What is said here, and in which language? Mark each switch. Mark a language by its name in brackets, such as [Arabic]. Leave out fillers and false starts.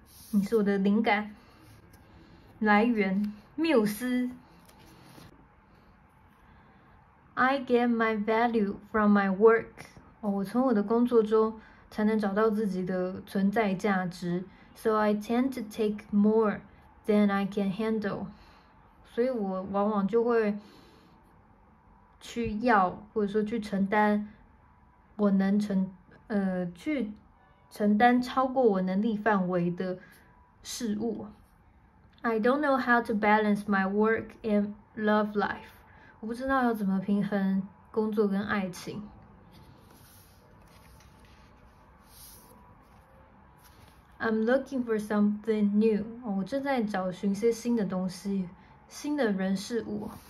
[Chinese] 你是我的灵感来源，缪斯。 [English] I get my value from my work。 [Chinese] 哦，我从我的工作中才能找到自己的存在价值。 [English] So I tend to take more than I can handle。 [Chinese] 所以我往往就会去要，或者说去承担我能承担超过我能力范围的事物。 [English] I don't know how to balance my work and love life。 [Chinese] 我不知道要怎么平衡工作跟爱情。 [English] I'm looking for something new。 [Chinese] 我正在找寻些新的东西，新的人事物。